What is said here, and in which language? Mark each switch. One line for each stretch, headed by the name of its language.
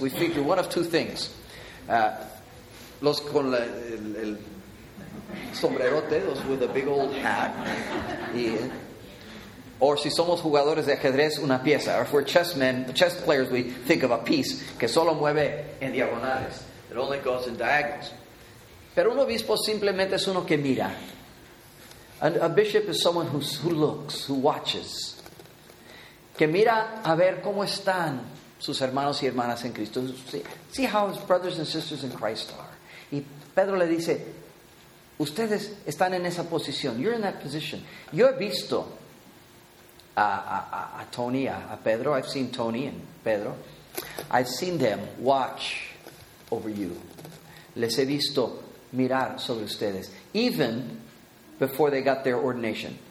English: We figure one of two things.
Spanish: Los con el sombrerote, los
English: with a big old hat.
Spanish: Or si somos jugadores de ajedrez, una pieza.
English: Or if we're chess players, we think of a piece
Spanish: que solo mueve en diagonales.
English: It only goes in diagonals.
Spanish: Pero un obispo simplemente es uno que mira.
English: And a bishop is someone who looks, who watches.
Spanish: Que mira a ver cómo están sus hermanos y hermanas en Cristo.
English: See how his brothers and sisters in Christ are.
Spanish: Y Pedro le dice, ustedes están en esa posición.
English: You're in that position.
Spanish: Yo he visto a Tony, a Pedro.
English: I've seen Tony and Pedro. I've seen them watch over you.
Spanish: Les he visto mirar sobre ustedes.
English: Even before they got their ordination.